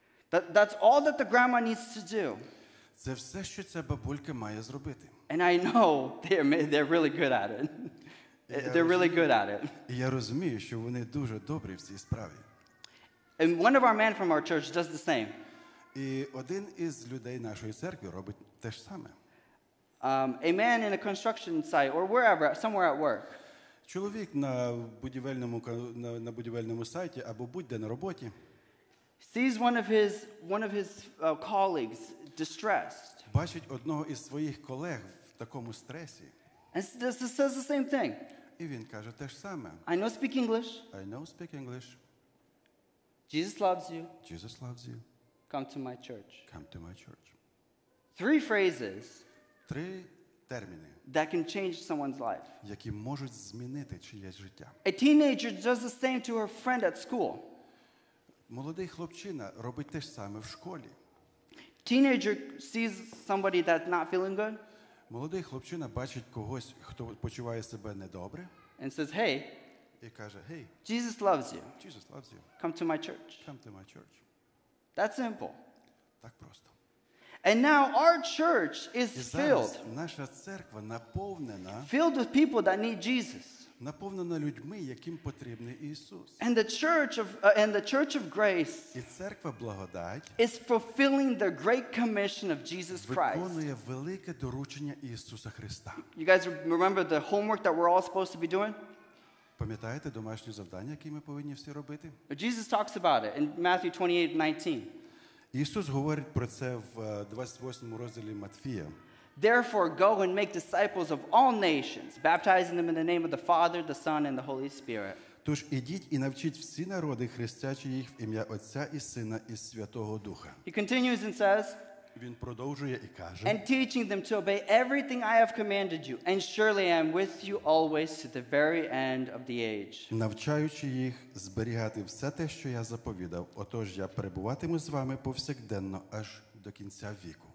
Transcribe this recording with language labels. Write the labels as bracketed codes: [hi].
[en] That's all that the grandma needs to do. [uk] Це все, що ця бабулька має зробити. [en] And I know they're really good at it. [uk] І я розумію, що вони дуже добрі в цій справі. [en] And one of our men from our church does the same. [uk] І один із людей нашої церкви робить те ж саме. [en] A man in a construction site or wherever, somewhere at work. [uk] Чоловік на будівельному сайті або будь-де на роботі. [en] Sees one of his colleagues distressed. [uk] Бачить одного із своїх колег в такому стресі. [en] And says the same thing. [uk] І він каже те ж саме. [en] I know speak English. Jesus loves you. Come to my church. Three phrases. [uk] Три терміни. [en] That can change someone's life. [uk] Які можуть змінити чиєсь життя. [en] A teenager does the same to her friend at school. [uk] Молодий хлопчина робить те ж саме в школі. [en] Teenager sees somebody that's not feeling good. [uk] Молодий хлопчина бачить когось, хто почуває себе недобре. [en] And says, "Hey." [uk] І каже: "Hey." [en] Jesus loves you. Come to my church. That's simple. [uk] Так просто. [en] And now our church is filled. [uk] Наша церква наповнена. [en] Filled with people that need Jesus. [uk] Наповнена людьми, яким потрібний Ісус. [en] And the church of grace. [uk] І церква благодать. [en] Is fulfilling the great commission of Jesus Christ. [uk] Виконує велике доручення Ісуса Христа. [en] You guys remember the homework that we're all supposed to be doing? [uk] Пам'ятаєте домашні завдання, які ми повинні всі робити? [en] Jesus talks about it in Matthew 28:19. [uk] Ісус говорить про це в 28-му розділі Матфія. [en] Therefore go and make disciples of all nations, baptizing them in the name of the Father, the Son and the Holy Spirit. [uk] Тож ідіть і навчіть всі народи, хрестячи їх в ім'я Отця і Сина і Святого Духа. [en] He continues and says, [uk] Він продовжує і каже, [en] And teaching them to obey everything I have commanded you, and surely I am with you always to the very end of the age. [uk] Навчаючи їх зберігати все те, що я заповідав, отож я перебуватиму з вами повсякденно аж до кінця віку.